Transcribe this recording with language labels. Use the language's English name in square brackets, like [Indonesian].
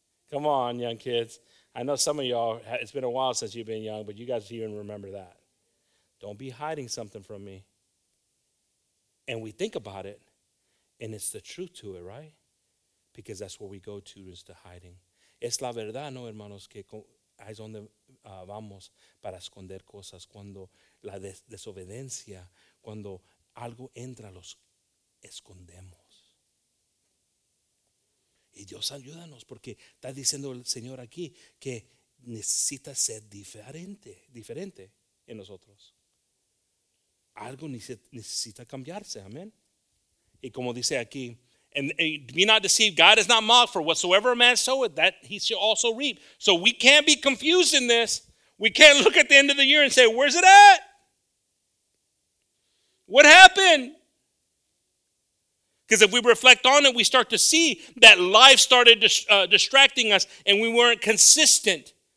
[English] Come on, young kids. I know some of y'all, it's been a while since you've been young, but you guys even remember that. Don't be hiding something from me. And we think about it, and it's the truth to it, right? Because that's where we go to, is the hiding. [Spanish] Es la verdad, no, hermanos, que es donde vamos para esconder cosas. Cuando la desobediencia, cuando algo entra, los escondemos. Y Dios ayúdanos, porque está diciendo el Señor aquí que necesita ser diferente en nosotros. Algo necesita cambiarse, amén. Y como dice aquí, [English] and be not deceived, God is not mocked, for whatsoever a man soweth, that he shall also reap. So we can't be confused in this. We can't look at the end of the year and say, where's it at? What happened? Because if we reflect on it, we start to see that life started distracting us and we weren't consistent.